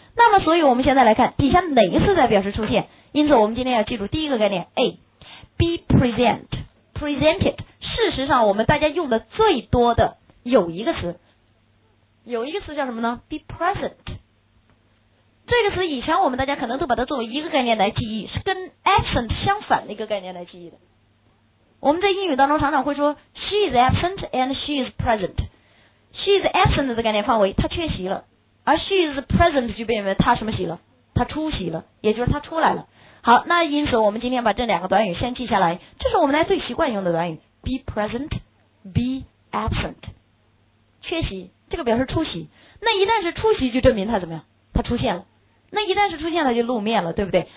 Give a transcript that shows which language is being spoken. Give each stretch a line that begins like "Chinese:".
Chinese: 那么所以我们现在来看底下哪一次在表示出现，因此我们今天要记住第一个概念 A be present presented。事实上我们大家用的最多的有一个词叫什么呢？
English: be present。
Chinese: 这个词以前我们大家可能都把它作为一个概念来记忆，是跟 absent 相反的一个概念来记忆的。我们在英语当中常常会说
English: she is absent and she is present。 she is absent
Chinese: 的概念范围她缺席了，而
English: she is present
Chinese: 就变成她什么席了，她出席了，也就是她出来了。好，那因此我们今天把这两个短语先记下来，这是我们来最习惯用的短语
English: be present be absent。
Chinese: 缺席这个表示出席，那一旦是出席就证明他怎么样，他出现了，那一旦是出现他就露面了，对不对？